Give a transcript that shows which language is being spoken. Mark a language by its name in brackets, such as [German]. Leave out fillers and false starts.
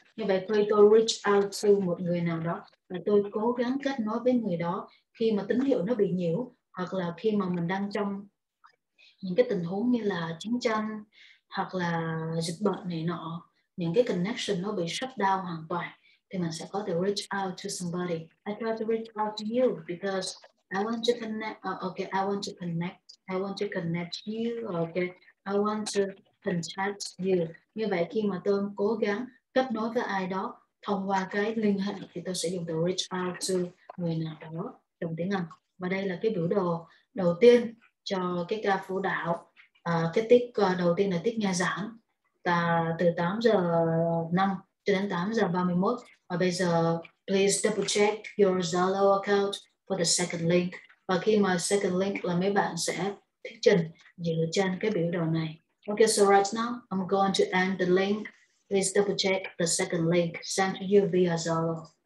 [Vietnamese] Như vậy khi tôi reach out to một người nào đó là tôi cố gắng kết nối với người đó khi mà tín hiệu nó bị nhiễu, hoặc là khi mà mình đang trong những cái tình huống như là chiến tranh hoặc là dịch bệnh này nọ, những cái connection nó bị shut down hoàn toàn, thì mình sẽ có thể [English] reach out to somebody. I try to reach out to you because I want to connect. Okay, I want to connect. I want to connect you. Okay, I want to contact you. [Vietnamese] Như vậy khi mà tôi cố gắng kết nối với ai đó thông qua cái liên hệ thì tôi sẽ dùng từ reach out to người nào đó trong tiếng Anh. Và đây là cái biểu đồ đầu tiên cho cái ca phủ đạo. Cái tiết đầu tiên là tiết nghe giảng từ 8:05 cho đến 8:31. Và bây giờ [English] please double check your Zalo account for the second link. [Vietnamese] Và khi mà second link là mấy bạn sẽ thuyết trình dựa trên cái biểu đồ này. [English] Okay, so right now I'm going to end the link. Please double check the second link sent to you via Zalo.